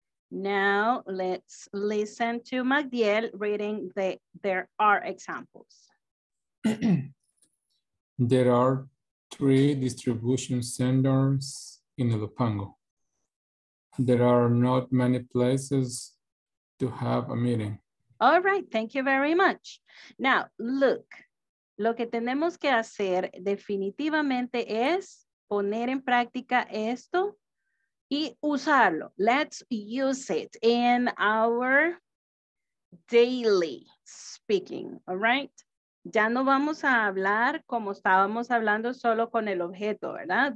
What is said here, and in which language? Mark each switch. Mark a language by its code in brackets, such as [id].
[en] Now let's listen to Magdiel reading the there are examples. There are three distribution centers in El Pango. There are not many places to have a meeting. All right, thank you very much. Now, look, [es] lo que tenemos que hacer definitivamente es poner en práctica esto y usarlo. [en] Let's use it in our daily speaking, all right? [es] Ya no vamos a hablar como estábamos hablando solo con el objeto, ¿verdad?